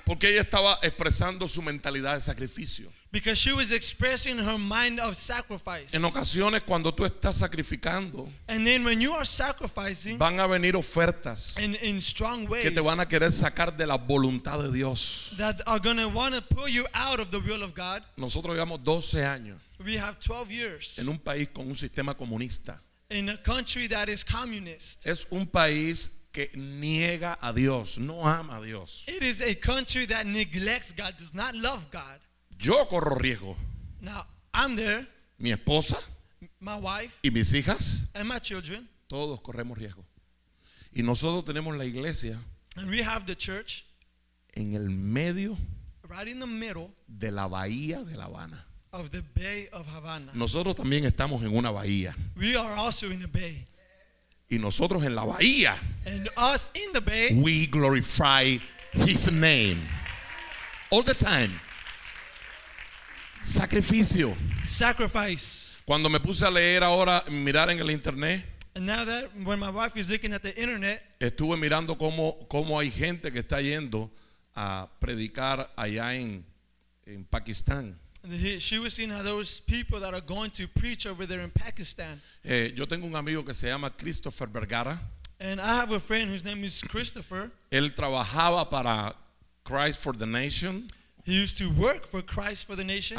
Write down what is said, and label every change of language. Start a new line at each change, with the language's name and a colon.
Spanish: Porque ella estaba expresando su mentalidad de sacrificio.
English: Because she was expressing her mind of sacrifice.
Spanish: En ocasiones cuando tú estás sacrificando,
English: and then when you are sacrificing,
Spanish: van a venir ofertas
English: in strong ways
Spanish: que te van a querer sacar de la voluntad de Dios.
English: That are going to want to pull you out of the will of God.
Spanish: Nosotros llevamos 12 años.
English: We have 12 years.
Spanish: En un país con un sistema comunista.
English: In a country that is communist.
Spanish: Es un país que niega a Dios, no ama a Dios.
English: It is a country that neglects God, does not love God.
Spanish: Yo corro riesgo.
English: Now, I'm there.
Spanish: Mi esposa.
English: My wife.
Spanish: Y mis hijas.
English: And my children.
Spanish: Todos corremos riesgo. Y nosotros tenemos la iglesia.
English: And we have the church.
Spanish: En el medio.
English: Right in the middle.
Spanish: De la bahía de La Habana.
English: Of the Bay of Havana.
Spanish: Nosotros también estamos en una bahía.
English: We are also in a bay.
Spanish: Y nosotros en la bahía.
English: And us in the bay. We glorify his name. All the time.
Spanish: Sacrificio.
English: Sacrifice.
Spanish: Cuando me puse a leer ahora, mirar en el internet.
English: And now that when my wife is looking at the internet,
Spanish: estuve mirando cómo hay gente que está yendo a predicar allá en Pakistán.
English: She was seeing how those people that are going to preach over there in Pakistan.
Spanish: Yo tengo un amigo que se llama Christopher Vergara.
English: And I have a friend whose name is Christopher.
Spanish: Él trabajaba para Christ for the Nation.
English: He used to work for Christ for the Nation.